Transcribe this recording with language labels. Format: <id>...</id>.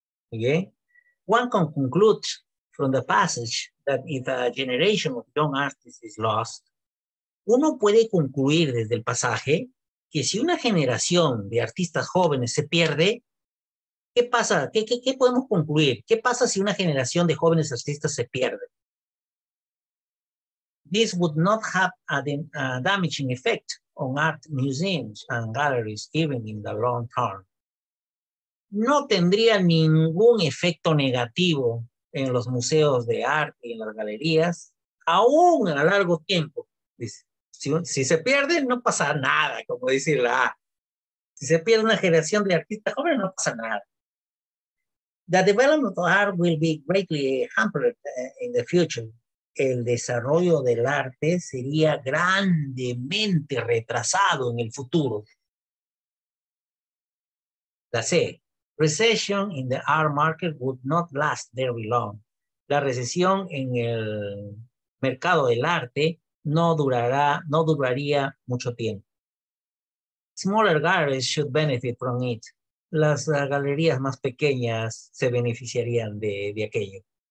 <es>Muy bien.</es> <en>One can conclude from the passage that if a generation of young artists is lost,</en> <es>uno puede concluir desde el pasaje que si una generación de artistas jóvenes se pierde, ¿qué pasa? ¿Qué podemos concluir? ¿Qué pasa si una generación de jóvenes artistas se pierde?</es> <en>This would not have a damaging effect on art museums and galleries even in the long term.</en> <es>No tendría ningún efecto negativo en los museos de arte y en las galerías, aún a largo tiempo. Si se pierde, no pasa nada, como dice la A. Si se pierde una generación de artistas jóvenes, no pasa nada.</es> <en>The development of art will be greatly hampered in the future.</en> <es>El desarrollo del arte sería grandemente retrasado en el futuro. La C.</es> <en>Recession in the art market would not last very long.</en> <es>La recesión en el mercado del arte no duraría mucho tiempo.</es> <en>Smaller galleries should benefit from it.</en> <es>Las galerías más pequeñas se beneficiarían de aquello.</es>